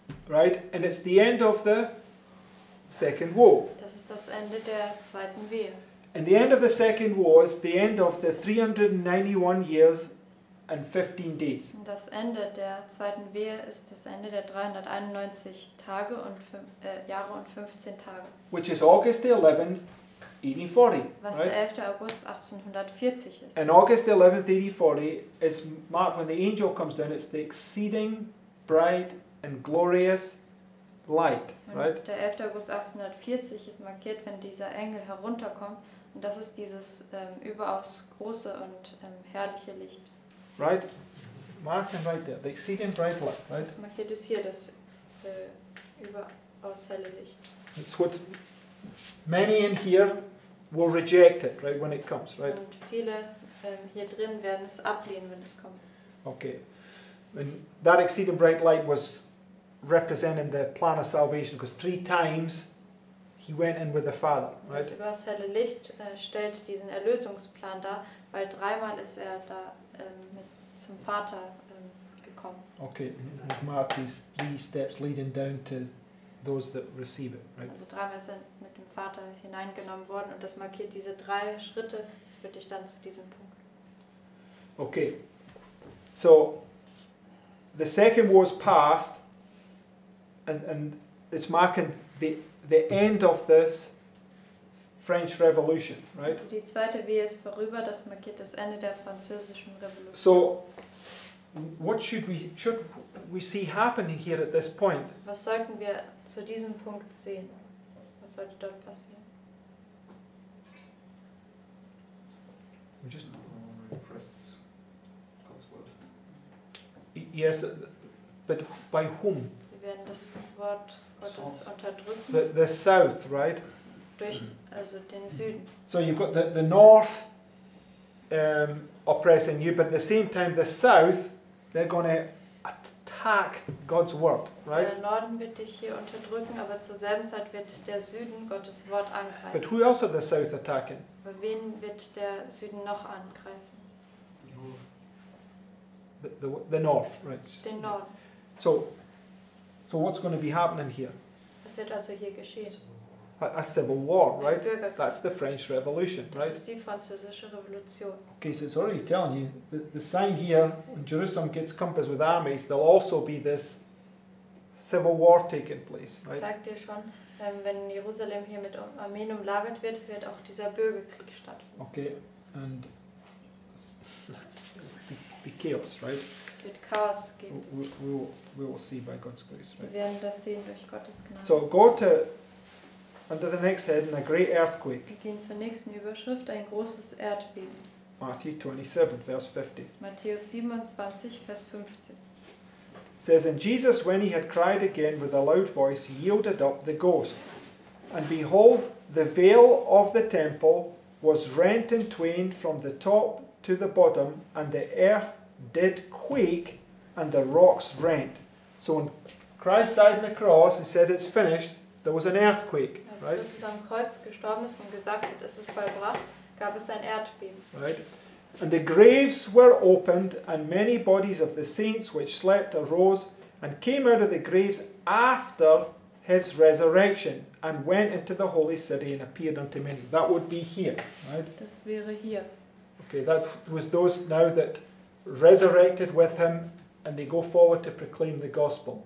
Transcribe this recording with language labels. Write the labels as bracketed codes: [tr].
[en] Right, and it's the end of the second war. [de] Das ist das Ende der zweiten Wehe. [en] And the end of the second war is the end of the 391 years and 15 days. [de] Das Ende der zweiten Wehe ist das Ende der 391 Tage und Jahre und 15 Tage. [en] Which is August the 11th, 1840. [de] Was [en] right? [de] Der 11. August 1840 ist. [en] And August the 11th, 1840 is marked when the angel comes down. It's the exceeding bright and glorious light, right? [de] Der 11. August 1840 ist markiert, wenn dieser Engel herunterkommt, und das ist dieses überaus große und herrliche Licht. [en] Right? Mark them right there. The exceeding bright light, right? [de] Das markiert ist hier das überaus helle Licht. [en] It's what many in here will reject it, right, when it comes, right? [de] Und viele hier drin werden es ablehnen, wenn es kommt. [en] Okay. And that exceeding bright light was representing the plan of salvation, because three times he went in with the Father. [de] Das überaus helle Licht stellt diesen Erlösungsplan dar, weil dreimal ist er da zum Vater gekommen. [en] Okay, we've marked these three steps leading down to those that receive it. Right? [de] Also dreimal ist er mit dem Vater hineingenommen worden, und das markiert diese drei Schritte. Das führt dich dann zu diesem Punkt. [en] Okay, so the second war is past. And it's marking the end of this French Revolution, right? [de] Die zweite Wehe ist vorüber. Das markiert das Ende der französischen Revolution. [en] So, what should we see happening here at this point? [de] Was sollten wir zu diesem Punkt sehen? Was sollte dort passieren? [en] We just repress God's word. Yes, but by whom? [de] Das Wort Gottes unterdrücken. [en] The south, right? [de] Durch, also den Süden. [en] So you've got the north oppressing you, but at the same time the south, they're going to attack God's word, right? [de] Der Norden wird dich hier unterdrücken, aber zur selben Zeit wird der Süden Gottes Wort angreifen. [en] But who else are the south attacking? [de] Aber wen wird der Süden noch angreifen? [en] The north, right? [de] Den Norden. [en] So what's going to be happening here? [de] Was wird also hier geschehen? [en] A civil war, right? That's the French Revolution, right? [de] Das ist die französische Revolution. [en] Okay, so it's already telling you, the sign here, when Jerusalem gets compassed with armies, there'll also be this civil war taking place, right? [de] Sagt dir schon, wenn Jerusalem hier mit Armeen umlagert wird, wird auch dieser Bürgerkrieg stattfinden. [en] Okay, and be chaos, right? [de] Es wird Chaos geben. [en] We will see by God's grace. Right? [de] Wir werden das sehen durch Gottes Gnade. [en] So go to under the next heading, a great earthquake. [de] Wir gehen zur nächsten Überschrift, ein großes Erdbeben. [en] Matthew 27, verse 50. [de] Matthäus 27, Vers 50. [en] It says, and Jesus, when he had cried again with a loud voice, yielded up the ghost. And behold, the veil of the temple was rent in twain from the top to the bottom, and the earth did quake, and the rocks rent. So when Christ died on the cross and said it's finished, there was an earthquake. [de] Als Jesus am Kreuz gestorben ist und gesagt hat, es ist vollbracht, gab es ein Erdbeben. [en] Right. And the graves were opened, and many bodies of the saints which slept arose and came out of the graves after his resurrection, and went into the holy city and appeared unto many. That would be here, right? [de] Das wäre hier. [en] Okay, that was those now that resurrected with him, and they go forward to proclaim the gospel.